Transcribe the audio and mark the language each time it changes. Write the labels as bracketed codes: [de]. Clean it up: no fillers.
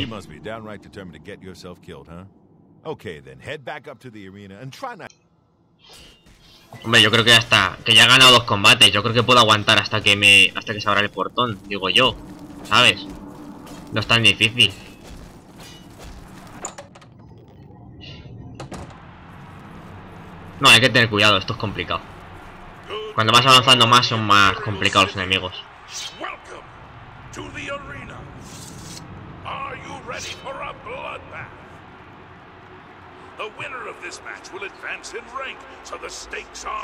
[en] You must be downright determined to get yourself killed, huh? Okay, then head back up to the arena and try not. [es] Hombre, yo creo que hasta que ya he ganado dos combates, yo creo que puedo aguantar hasta que se abra el portón, digo yo, ¿sabes? No es tan difícil. No, hay que tener cuidado, esto es complicado. Cuando vas avanzando más son más complicados los enemigos. [en] Welcome to the arena. Are you ready for a bloodbath? The winner of this match will advance in rank, so the stakes are...